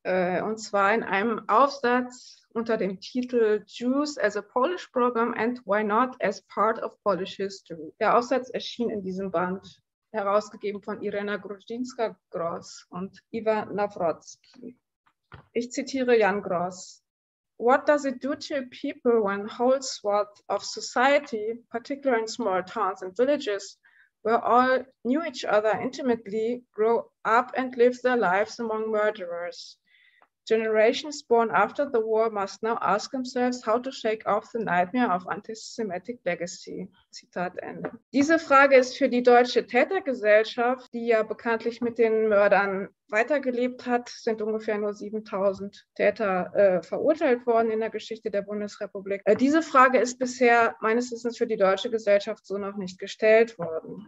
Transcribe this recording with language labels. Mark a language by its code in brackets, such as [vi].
[de] Und zwar in einem Aufsatz unter dem Titel [en] Jews as a Polish Program and Why Not as Part of Polish History. [de] Der Aufsatz erschien in diesem Band, herausgegeben von Irena Grudzińska-Gross und Iwa Nawrocki. Ich zitiere Jan Gross. [en] What does it do to people when whole swaths of society, particularly in small towns and villages, where all knew each other intimately, grow up and live their lives among murderers. Generations born after the war must now ask themselves how to shake off the nightmare of anti-Semitic legacy. [de] Zitat Ende. Diese Frage ist für die deutsche Tätergesellschaft, die ja bekanntlich mit den Mördern weitergelebt hat, sind ungefähr nur 7000 Täter verurteilt worden in der Geschichte der Bundesrepublik. Diese Frage ist bisher meines Wissens für die deutsche Gesellschaft so noch nicht gestellt worden.